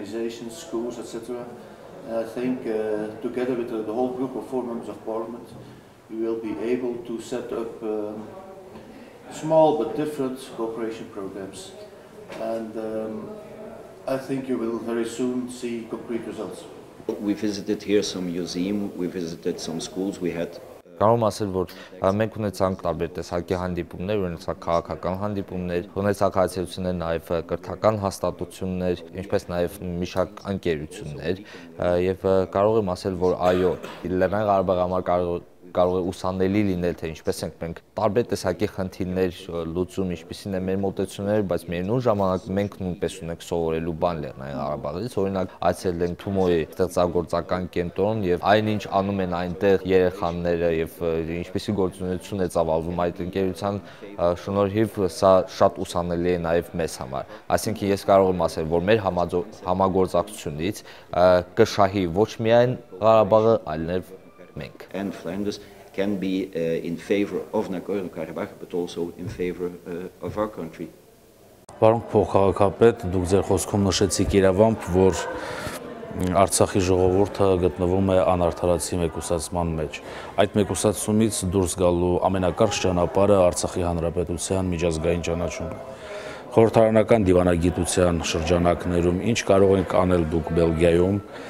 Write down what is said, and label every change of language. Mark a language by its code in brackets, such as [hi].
[en] I think together with the whole group of four members of parliament we will be able to set up small but different cooperation programs and I think you will very soon see concrete results. We visited here some museum, we visited some schools, we had [hy] կարող եմ ասել, որ մենք ունեցանք տարբեր տեսակի հանդիպումներ, ունեցանք քաղաքական հանդիպումներ, ունեցանք հայացություններ նաև կրթական հաստատություններ, ինչպես նաև միջակայք ընկերություններ, եւ կարող եմ ասել, որ այո, Լեռնային Ղարաբաղի համար կարող է ուսանելի լինել, թե ինչպես ենք մենք տարբեր տեսակի խնդիրներ լուծում, ինչպիսին է մեր մոտեցումները, բայց միևնույն ժամանակ մենք նույնպես ունենք սովորելու բան Լեռնային Ղարաբաղից, օրինակ այցելել ենք Թումոյի ստեղծագործական կենտրոն եւ այնինչ անում են այնտեղ երեխաները եւ ինչպիսի գործունեություն է ծավալվում այդ ընկերության շնորհիվ, սա շատ ուսանելի է նաեւ մեզ համար։ Այսինքն ես կարող եմ ասել, որ մեր համագործակցությունից կշահի ոչ միայն Ղարաբաղը, այլ նաեւ մենք [en] and Flanders can be in favor of Nagorno-Karabakh but also in favor of our country. [hy] Պարոն փոխհաղորդապետ, դուք ձեր խոսքում նշեցիք իրավամբ, որ Արցախի ժողովուրդը գտնվում է անարդարացի մեկուսացման մեջ։ Այդ մեկուսացումից դուրս գալու ամենակարճ ճանապարհը Արցախի Հանրապետության միջազգային ճանաչումը։ Խորհրդարանական դիվանագիտության շրջանակներում ինչ կարող ենք անել դուք Բելգիայում